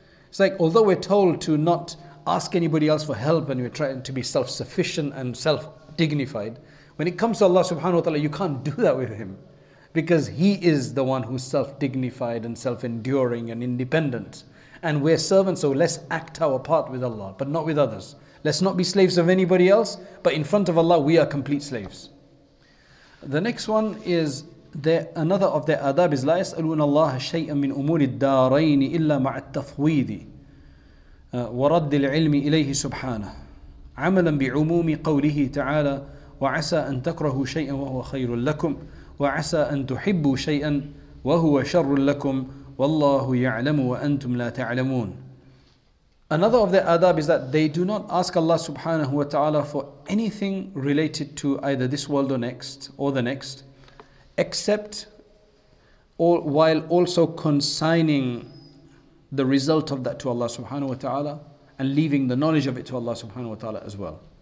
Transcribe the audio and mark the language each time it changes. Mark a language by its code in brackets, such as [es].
[en] It's like, although we're told to not ask anybody else for help and we're trying to be self-sufficient and self-dignified, when it comes to Allah subhanahu wa ta'ala, you can't do that with him, because he is the one who's self-dignified and self-enduring and independent. And we're servants, so let's act our part with Allah, but not with others. Let's not be slaves of anybody else, but in front of Allah, we are complete slaves. The next one is another of their adab is [ar] لا يسألون الله شيئا من أمور الدارين إلا مع التفويض ورد العلم إليه سبحانه عملا بعموم قوله تعالى وعسى أن تكرهوا شيئا وهو خير لكم وعسى أن تحبوا شيئا وهو شر لكم والله يعلم وأنتم لا تعلمون. [en] Another of their adab is that they do not ask Allah subhanahu wa ta'ala for anything related to either this world or next, or the next, except all, while also consigning the result of that to Allah subhanahu wa ta'ala and leaving the knowledge of it to Allah subhanahu wa ta'ala as well.